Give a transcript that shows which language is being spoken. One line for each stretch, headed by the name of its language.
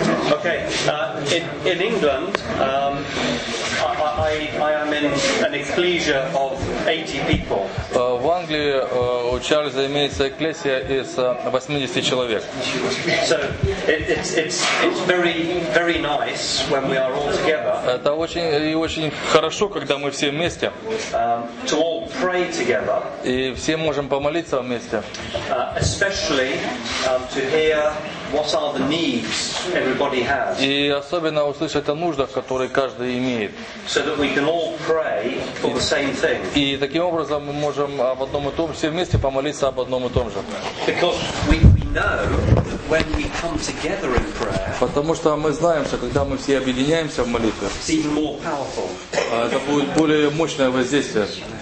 English: Okay, in England, I am in an ecclesia of 80 people.
Russian: В Англии у Чарльза имеется экклесия из 80 человек.
English: So it's very very nice when we are all together.
Russian: Это очень и очень хорошо, когда мы все вместе.
English: To all pray together.
Russian: И все можем помолиться вместе.
English: Especially to hear what are the needs everybody has.
Russian: И особенно услышать о нуждах, которые каждый имеет.
English: So that we can all pray for the same thing.
Russian: И таким образом мы можем об одном и том же, все вместе помолиться об одном и том же.
English: Because we know that when we come together in prayer.
Russian: Потому что мы знаем, что когда мы все объединяемся в молитве,
English: it's even more powerful.
Russian: Это будет более мощное воздействие.